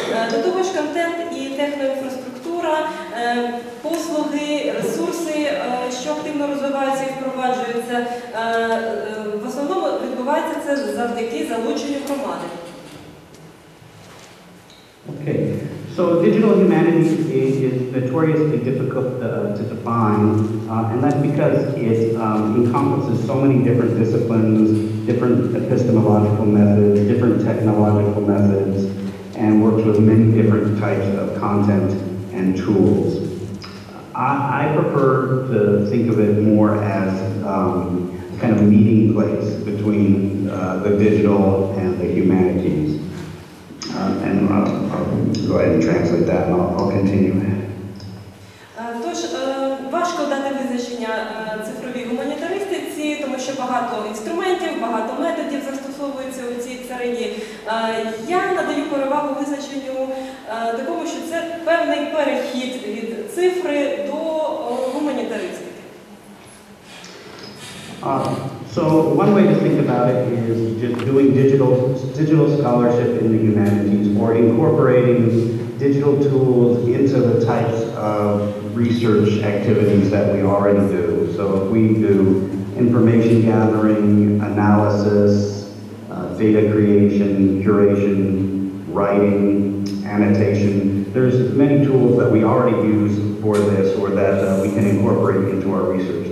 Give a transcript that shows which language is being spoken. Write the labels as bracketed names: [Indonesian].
[Ukrainian] До того ж, контент і техноінфраструктура, послуги, ресурси, що активно розвиваються і впроваджуються, в основному відбувається це завдяки залученню громади. [English] Okay. So digital humanities is notorious and difficult to define, and that's because it encompasses so many different disciplines, different epistemological methods, different technological methods, and works with many different types of content and tools. I prefer to think of it more as a kind of meeting place between the digital and the humanities. I'll go ahead and translate that, and I'll continue. [Ukrainian] Тож важко дати визначення цифровій гуманітаристиці, тому що багато інструментів, багато методів застосовується у цій царині. Я надаю перевагу визначенню такому, що це певний перехід від цифри до гуманітаристики. [English] So one way to think about it is just doing digital scholarship in the humanities, or incorporating digital tools into the types of research activities that we already do. So if we do information gathering, analysis, data creation, curation, writing, annotation, there's many tools that we already use for this or that we can incorporate into our research.